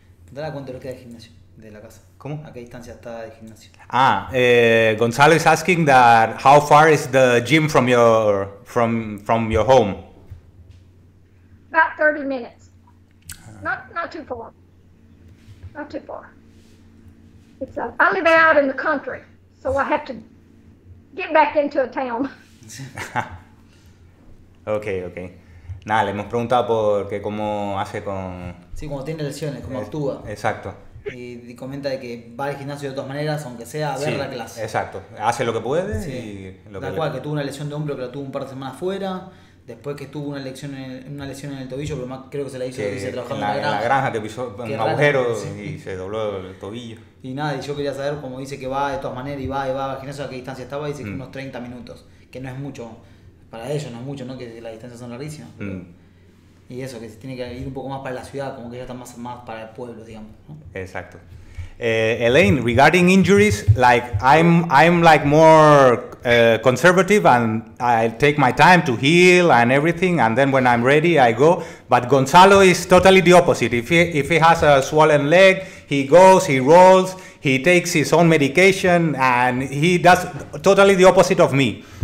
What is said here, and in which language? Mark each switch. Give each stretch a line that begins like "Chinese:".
Spanish: ¿Dale cuánto lo queda de gimnasio de la casa? ¿Cómo? ¿A qué distancia está el gimnasio?
English: Gonzalo is asking that how far is the gym from your home? About 30 minutes. Not too far. I live out in the country, so I have to get back into a town. Okay.
Spanish: Nada, le hemos preguntado por qué cómo hace con... Sí, cuando tiene lesiones, cómo actúa. Exacto. Y comenta de que va al gimnasio de todas maneras, aunque sea a ver sí, la clase. Exacto, hace lo que puede. Sí. Que tuvo una lesión de hombro, que la tuvo un par de semanas fuera. Después que tuvo una lesión en el tobillo, pero más, creo que se la hizo que dice, trabajando en la granja. Que pisó un agujero y se dobló el tobillo. Y nada, y yo quería saber, como dice que va de todas maneras y va al gimnasio, a qué distancia estaba, dice que unos 30 minutos, que no es mucho para ellos, no es mucho, ¿no? Que las distancias son larguísimas. Y eso, que se tiene que ir un poco más para la ciudad, como que ya está más para el pueblo, digamos, ¿no? Exacto.
English: Elaine, regarding injuries, like I'm like more conservative and I take my time to heal and everything, and then when I'm ready I go. But Gonzalo is totally the opposite. If he has a swollen leg, he goes, he rolls, he takes his own medication, and he does totally the opposite of me.